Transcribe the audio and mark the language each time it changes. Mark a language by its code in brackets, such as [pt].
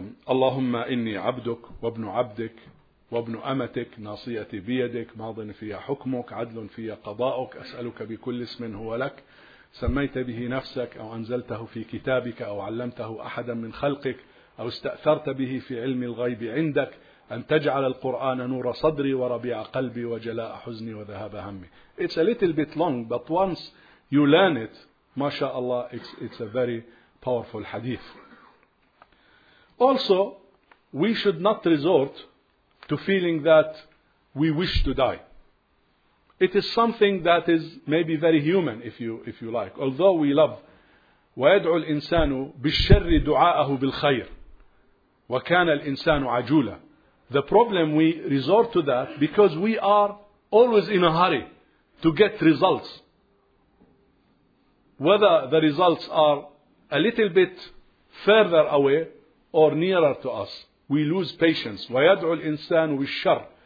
[ar] اللهم إني عبدك وابن عبدك وابن أمتك ناصيتي بيدك ماض في حكمك عدل في قضاءك أسألك بكل اسم هو لك سميت به نفسك أو أنزلته في كتابك أو علمته أحدا من خلقك أو استأثرت به في علم الغيب عندك أن تجعل القرآن نور صدري وربيع قلبي وجلاء حزني وذهاب همي. [en] It's a little bit long, but once you learn it, [ar] ما شاء الله, [en] it's a very powerful hadith. Also, we should not resort to feeling that we wish to die. It is something that is maybe very human, if you like. Although we love, [ar] وَيَدْعُ الْإِنسَانُ بِالشَّرِّ دُعَاءَهُ بِالْخَيْرِ وَكَانَ الْإِنسَانُ عَجُولًا. [en] The problem, we resort to that because we are always in a hurry to get results. Whether the results are a little bit further away or nearer to us, we lose patience. [ar] وَيَدْعُ الْإِنسَانُ بِالشَّرِّ.